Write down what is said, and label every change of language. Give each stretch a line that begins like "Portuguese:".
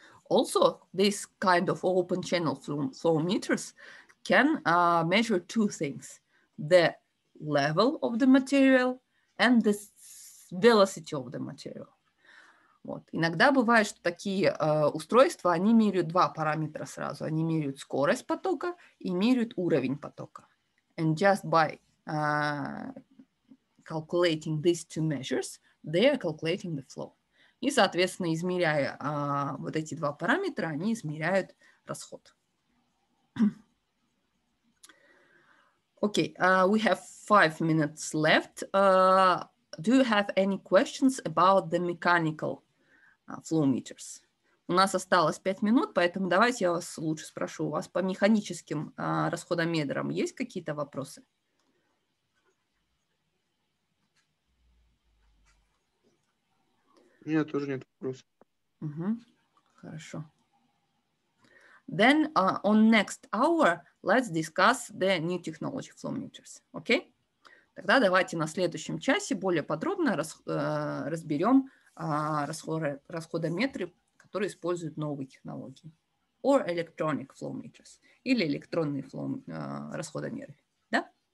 English: Also, this kind of open channel flow meters can measure two things: the level of the material and the velocity of the material.
Russian: Вот. Иногда бывает, что такие устройства, они меряют два параметра сразу. Они меряют скорость потока и меряют уровень потока.
English: And just by calculating these two measures, they are calculating the flow.
Russian: И, соответственно, измеряя вот эти два параметра, они измеряют расход.
English: Okay, we have 5 minutes left. Do you have any questions about the mechanical flow meters?
Russian: У нас осталось 5 минут, поэтому давайте я вас лучше спрошу. У вас по механическим расходометрам есть какие-то вопросы? Нет, тоже нет вопросов. Угу. Хорошо.
English: Then on next hour let's discuss the new technology flow meters. Okay?
Russian: Тогда давайте на следующем часе более подробно разберем расходометры, которые используют новые технологии.
English: Or electronic flow meters.
Russian: Или электронные flow, расходомеры. Да?